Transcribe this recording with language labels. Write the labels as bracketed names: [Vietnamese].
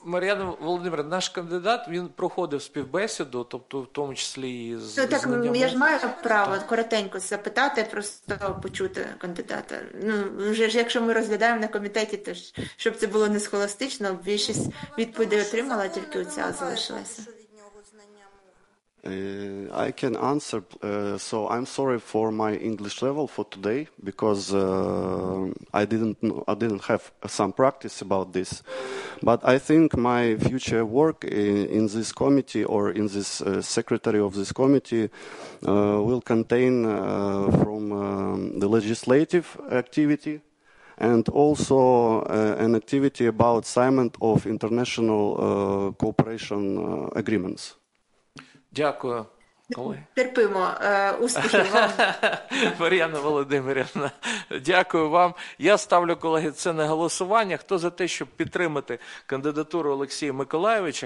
[Ukrainian] Мар'яна Володимирівна, наш кандидат, він проходив співбесіду, тобто в тому числі і з ним. Так, я ж маю право коротенько запитати, просто почути кандидата. Вже ж якщо ми розглядаємо на комітеті, то щоб це було не схоластично, більшість відповідей отримала, тільки оця залишилася. [English] I can answer. So I'm sorry for my English level for today because I didn't have some practice about this. But I think my future work in this committee or in this secretary of this committee will contain from the legislative activity and also an activity about assignment of international cooperation agreements. [Ukrainian] Дякую. Терпимо. Успіхів вам. Мар'яна Володимирівна, дякую вам. Я ставлю, колеги, це на голосування. Хто за те, щоб підтримати кандидатуру Олексія Миколайовича?